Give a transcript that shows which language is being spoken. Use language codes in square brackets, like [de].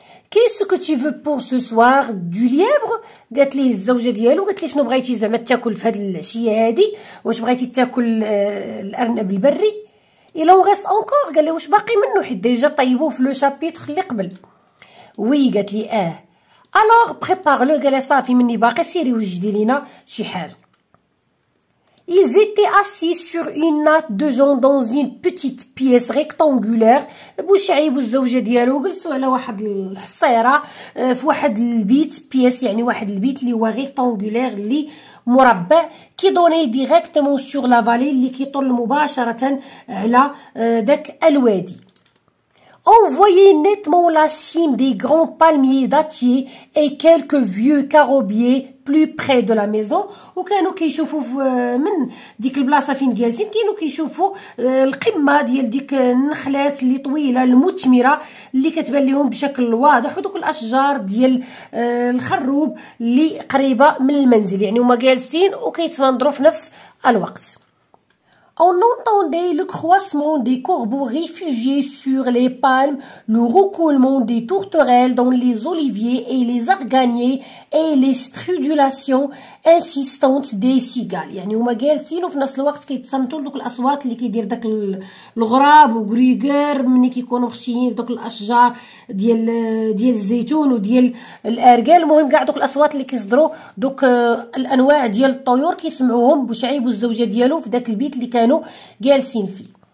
[fr] كيسو كو تي فو بوغ سو سوار دو ليفغ، [ar] قالت ليه الزوجه ديالو، قالت ليه شنو بغيتي زعما تاكل في هاد العشيه هادي، واش بغيتي تاكل الارنب البري؟ [fr] إلا اون غيست اونكور، [ar] قال لي واش باقي منو حيت ديجا طيبوه في لو شابيتر اللي قبل. وي قالت لي اه، [fr] الوغ بريبار لو، [ar] قال لي صافي مني باقي سيري وجدي لينا شي حاجه. [fr] Ils étaient assis sur une natte de jonc dans une petite pièce rectangulaire. [ar] بوشعيب والزوجة ديالو جلسوا على واحد الحصيرة في واحد البيت، بيس يعني واحد البيت اللي هو ريكتانغولير اللي مربع، [fr] كي دوني ديريكتومون سور لا فالي، [ar] اللي كيطل مباشرة على داك الوادي. [fr] On voyait nettement la cime des grands palmiers dattiers et quelques vieux caroubiers plus près de la maison. [ar] وكانوا كيشوفوا من ديك البلاصه فين جالسين، كانوا كيشوفوا القمه ديال ديك النخلات اللي طويله المثمره اللي كتبان لهم بشكل واضح، ودوك الاشجار ديال الخروب اللي قريبه من المنزل، يعني هما جالسين وكيتناظروا في نفس الوقت. [fr] On entendait le croissement des corbeaux réfugiés sur les palmes, le roucoulement des tourterelles dans les oliviers et les arganiers et les stridulations insistantes des cigales. [ar] يعني هما جالسين وفي نفس الوقت كيتصنتوا دوك الاصوات اللي كيدير داك الغراب وغريغر ملي كيكونوا خشيين دوك الاشجار ديال الزيتون وديال الارقال. المهم كاع دوك الاصوات اللي كيصدروا دوك الانواع ديال الطيور كيسمعوهم بوشعيب والزوجه ديالو في داك البيت اللي كانوا جالسين فيه.